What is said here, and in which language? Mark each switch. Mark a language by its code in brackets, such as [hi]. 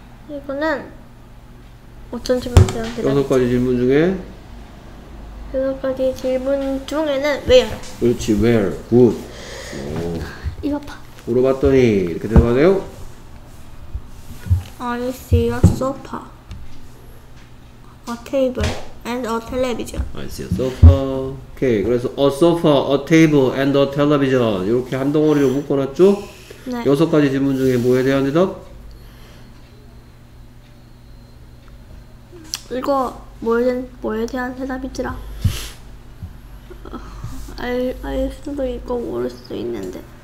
[ko] 이거는 어떤 질문에 대한 대답이지? 여섯 가지 질문 중에? 여섯 가지 질문 중에는 where? 그렇지. [en] Where. Good. [ko] 오. 이거 봐. 물어봤더니 이렇게 대답하네요. [en] I see a sofa, a table, and a television. I see a sofa. Okay, 그래서 a sofa, a table, and a television. [ko] 이렇게 한 덩어리로 묶어놨죠? 네. 여섯 가지 질문 중에 뭐에 대한 대답? 이거 뭐에 대한 대답이더라? I 알 수도 있고 모를 수도 있는데.